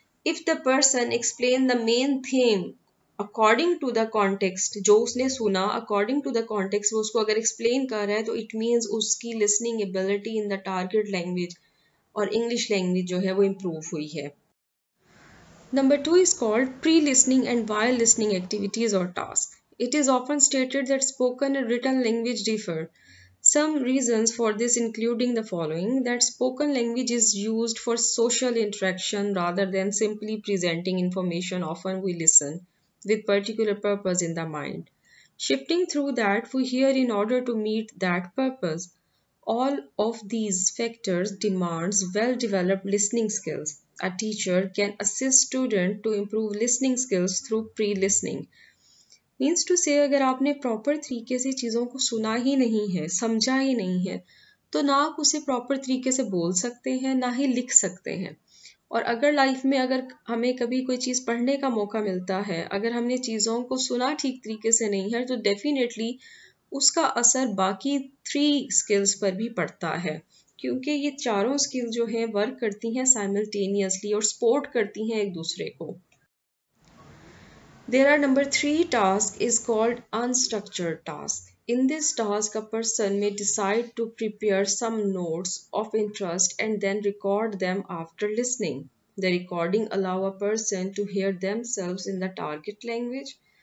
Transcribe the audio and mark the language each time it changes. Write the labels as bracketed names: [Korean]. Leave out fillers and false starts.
[English] if the person explain the main theme according to the context, [Urdu] جو اس نے سنا [English] According to the context وہ اس کو اگر ایکسپلین کر رہا ہے، تو اٹ مینز اس کی listening ability in the target language اور انگلش لینگویج جو ہے وہ امپروو ہوئی ہے. Number two is called pre listening and while listening activities اور task. It is often stated that spoken and written language differ. Some reasons for this including the following, that spoken language is used for social interaction rather than simply presenting information. Often we listen with particular purpose in the mind. Shifting through that, we hear in order to meet that purpose. All of these factors demands well-developed listening skills. A teacher can assist student to improve listening skills through pre-listening. [Urdu] Means to سے اگر آپ نے proper طریقے سے چیزوں کو سنا ہی نہیں ہے، سمجھا ہی نہیں ہے، تو نہ آپ اسے پراپر طریقے سے بول سکتے ہیں، نہ ہی لکھ سکتے ہیں. اور اگر لائف میں اگر ہمیں کبھی کوئی چیز پڑھنے کا موقع ملتا ہے، اگر ہم نے چیزوں کو سنا ٹھیک طریقے سے نہیں ہے، تو ڈیفینیٹلی اس کا اثر باقی تھری اسکلس پر بھی پڑتا ہے، کیونکہ یہ چاروں اسکل جو ہیں ورک کرتی ہیں سائملٹینیسلی اور سپورٹ کرتی ہیں ایک دوسرے کو. [English] There are number three task is called unstructured task. In this task, a person may decide to prepare some notes of interest and then record them after listening. The recording allows a person to hear themselves in the target language.